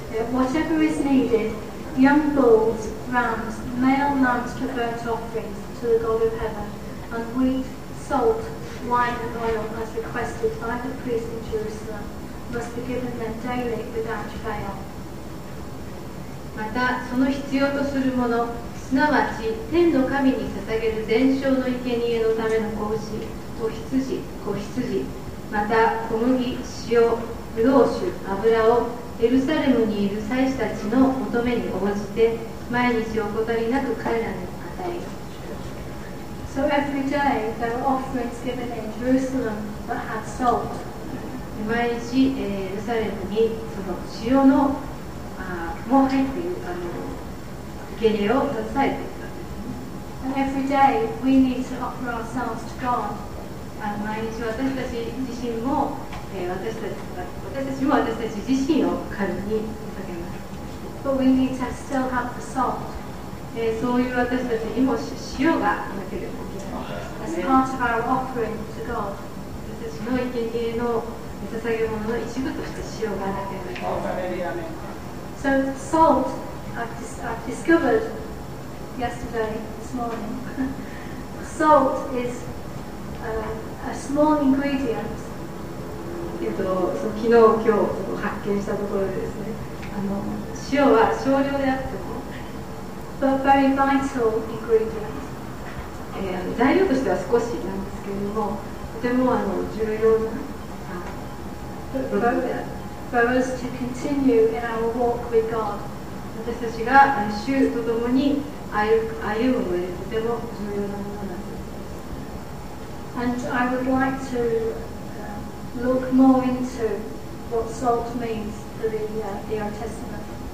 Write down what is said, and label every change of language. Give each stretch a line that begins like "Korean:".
English: Whatever is needed, young bulls, rams, male lambs to burnt offerings to the God of heaven, and wheat, salt, wine, and oil, as requested by the priests in Jerusalem, must be given them daily without fail.
Japanese: また、その必要とするもの、すなわち天の神に捧げる全焼の生贄のための子牛、子羊、子羊、また小麦、塩、ブドウ酒、油をエルサレムにいる祭司たちの求めに応じて毎日怠りなく彼らに与え。
English: So every day there were offerings given in Jerusalem that had salt.
Japanese: 毎日エルサレムにその塩のも入っているあの生贄を携えていた。
English: And every day we need to offer ourselves to God.
Japanese: 毎日私たち自身も私たちも私たち自身を神に捧げます。
English: But we need to still have the salt.
Japanese: そういう私たちにも塩がなければいけない。
English: As part of our offering to God.
Japanese: 私たちの生贄の捧げ物の一部として塩がなければいけない。
English: So salt, I've discovered yesterday, this morning. Salt is a small ingredient.
Japanese: その昨日今日発見したところでですね、塩は少量であっても
English: But very vital ingredient.
Japanese: 材料としては少しなんですけれども、とても重要な
English: For us to continue in our walk with God.
Japanese: 私たちが主とともに歩む上でとても重要なものなんです。
English: And I would like toLook more into what salt means for the Old Testament.